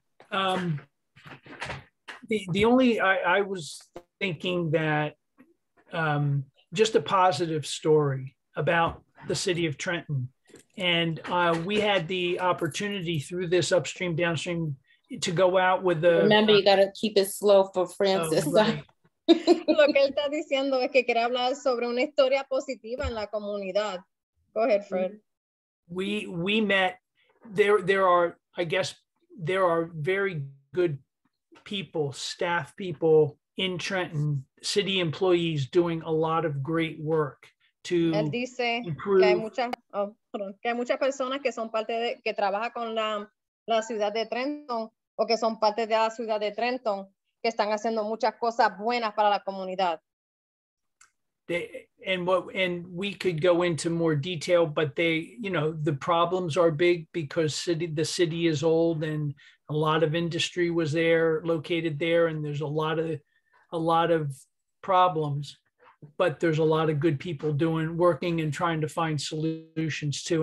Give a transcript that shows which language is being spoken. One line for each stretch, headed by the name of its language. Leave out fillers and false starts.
English: The only I was thinking that just a positive story about the city of Trenton, and we had the opportunity through this upstream downstream to go out with the... Remember, you gotta keep it slow for Francis. Oh, right.
Spanish: Lo que él está diciendo es que quiere hablar sobre una historia positiva en la comunidad.
English: Go ahead, Fred. We met, there are, I guess, there are very good people, staff people in Trenton, city employees doing a lot of great work to
Spanish: él dice improve. Que hay muchas que hay muchas personas que son parte de que trabaja con la la ciudad de Trenton o que son parte de la ciudad de Trenton que están haciendo muchas cosas buenas para la comunidad.
English: They, and what and we could go into more detail, but they, you know, the problems are big because the city is old and a lot of industry was there, located there, and there's a lot of problems, but there's a lot of good people doing, working and trying to find solutions too.